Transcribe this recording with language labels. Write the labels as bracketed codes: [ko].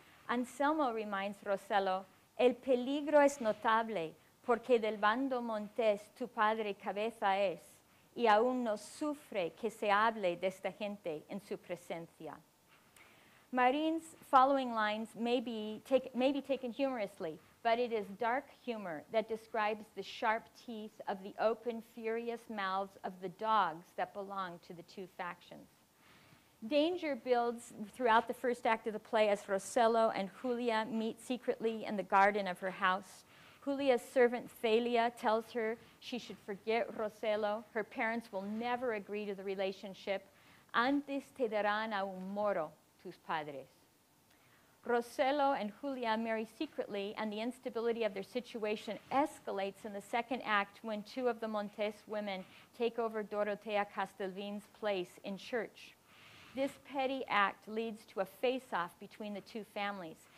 [en] Anselmo reminds Rosello, [es] "El peligro es notable, porque del bando Montes tu padre cabeza es, y aún no sufre que se hable de esta gente en su presencia." [en] Marin's following lines may be taken humorously, but it is dark humor that describes the sharp teeth of the open, furious mouths of the dogs that belong to the two factions. Danger builds throughout the first act of the play as Rosello and Julia meet secretly in the garden of her house. Julia's servant, Thalia, tells her she should forget Rosello. Her parents will never agree to the relationship. [es] Antes te darán a un moro tus padres. [en] Rosello and Julia marry secretly, and the instability of their situation escalates in the second act when two of the Montes women take over Dorotea Castelvin's place in church. This petty act leads to a face-off between the two families.